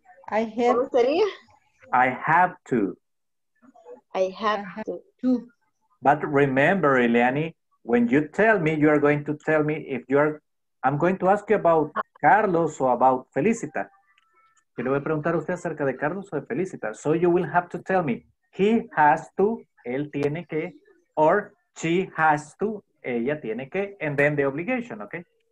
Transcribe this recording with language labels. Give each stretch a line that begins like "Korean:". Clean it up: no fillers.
English: I have to. But remember, Eliani, when you tell me, you are going to tell me if you are, I'm going to ask you about Carlos or about Felicita.
Spanish: Yo le voy a preguntar a usted acerca de Carlos o de Felicita.
English: So you will have to tell me, he has to,
Spanish: él tiene que,
English: or she has to,
Spanish: ella tiene que,
English: and then the obligation, okay?